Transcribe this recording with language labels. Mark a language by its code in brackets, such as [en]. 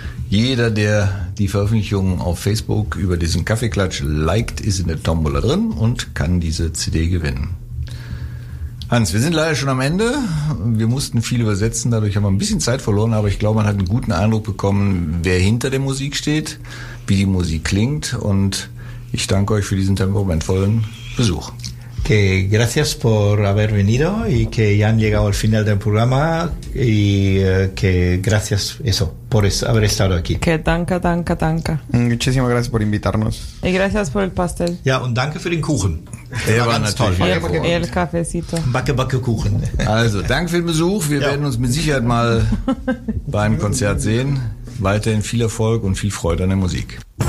[de] Jeder, der die Veröffentlichung auf Facebook über diesen Kaffeeklatsch liked, ist in der Tombola drin und kann diese CD gewinnen. Hans, wir sind leider schon am Ende. Wir mussten viel übersetzen, dadurch haben wir ein bisschen Zeit verloren, aber ich glaube, man hat einen guten Eindruck bekommen, wer hinter der Musik steht, wie die Musik klingt. Und ich danke euch für diesen temperamentvollen Besuch. [es] que gracias por haber venido y que ya han llegado al final del programa y que gracias eso por haber estado aquí. Que [de] danke. [es] Muchísimas gracias por invitarnos. Y gracias por el pastel. [de] Ja, und danke für den Kuchen. Der war ganz toll. [es] Y el cafecito. [de] Backe Kuchen. Also, danke für den Besuch. Wir werden uns mit Sicherheit mal beim Konzert sehen. Weiterhin viel Erfolg und viel Freude an der Musik.